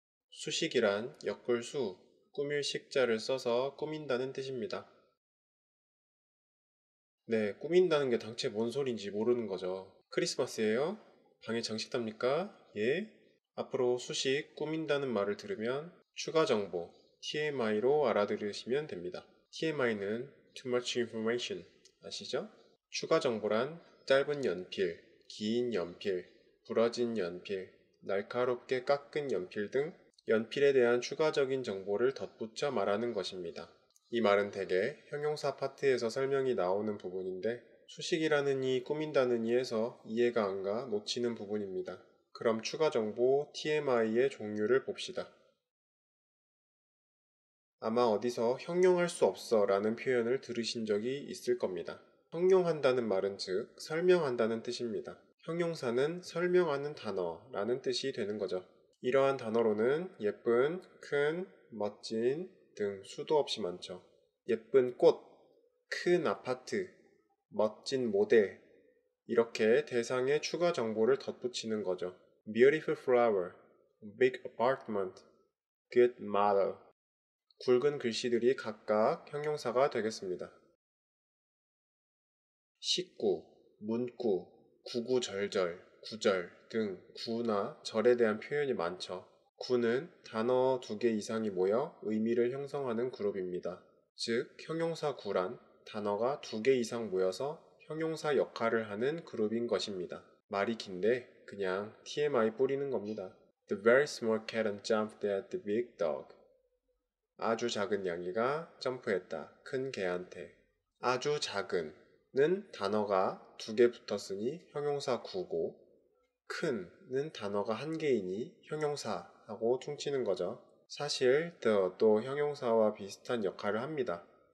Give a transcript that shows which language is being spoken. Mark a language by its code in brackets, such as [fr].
[ko] 수식이란 역볼수, 꾸밀 식자를 써서 꾸민다는 뜻입니다. 네, 꾸민다는 게 당최 뭔 소린지 모르는 거죠. 크리스마스예요? 방에 장식 땁니까? 예? 앞으로 수식, 꾸민다는 말을 들으면 추가 정보, TMI로 알아들으시면 됩니다. TMI는 [en] Too Much Information, [ko] 아시죠? 추가 정보란 짧은 연필, 긴 연필, 부러진 연필, 날카롭게 깎은 연필 등 연필에 대한 추가적인 정보를 덧붙여 말하는 것입니다. 이 말은 대개 형용사 파트에서 설명이 나오는 부분인데 수식이라는 이 꾸민다는 이에서 이해가 안 가 놓치는 부분입니다. 그럼 추가 정보 TMI의 종류를 봅시다. 아마 어디서 형용할 수 없어 라는 표현을 들으신 적이 있을 겁니다. 형용한다는 말은 즉 설명한다는 뜻입니다. 형용사는 설명하는 단어라는 뜻이 되는 거죠. 이러한 단어로는 예쁜, 큰, 멋진 등 수도 없이 많죠. 예쁜 꽃, 큰 아파트, 멋진 모델, 이렇게 대상에 추가 정보를 덧붙이는 거죠. [en] Beautiful flower, big apartment, good model. [ko] 굵은 글씨들이 각각 형용사가 되겠습니다. 식구, 문구, 구구절절, 구절 등 구나 절에 대한 표현이 많죠. 구는 단어 두개 이상이 모여 의미를 형성하는 그룹입니다. 즉, 형용사 구란 단어가 두개 이상 모여서 형용사 역할을 하는 그룹인 것입니다. 말이 긴데 그냥 TMI 뿌리는 겁니다. [en] The very small cat jumped at the big dog. [ko] 아주 작은 양이가 점프했다. 큰 개한테. 아주 작은 는 단어가 두개 붙었으니 형용사 구고, 큰는 단어가 한 개이니 형용사 하고 퉁치는 거죠. 사실 the 또 형용사와 비슷한 역할을 합니다.